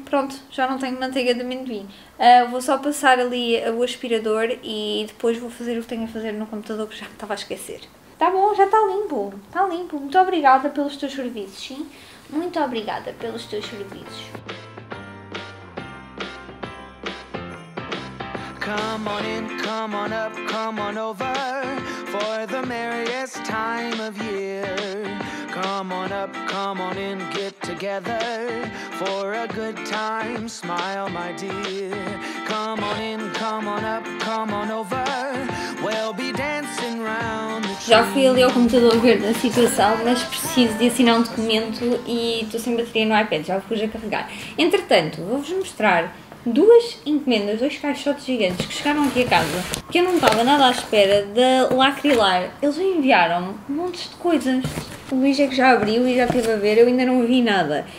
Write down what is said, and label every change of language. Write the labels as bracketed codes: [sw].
[pt] Pronto, já não tenho manteiga de amendoim. Vou só passar ali o aspirador e depois vou fazer o que tenho a fazer no computador, que já me estava a esquecer. Tá bom, já está limpo. Está limpo. Muito obrigada pelos teus serviços, sim? Muito obrigada pelos teus serviços. [en] Come on in, come on up, come on over, for the merriest time of year. Come on up, come on in, get together, for a good time, smile my dear. Come on in, come on up, come on over, we'll be dancing round the tree. [pt] Já fui ali ao computador ver da situação, mas preciso de assinar um documento e estou sem bateria no iPad, já fui a carregar. Entretanto, vou-vos mostrar duas encomendas, dois caixotes gigantes que chegaram aqui a casa, que eu não estava nada à espera da Lacrilar. Eles enviaram montes de coisas. O Luís é que já abriu e já esteve a ver, eu ainda não vi nada.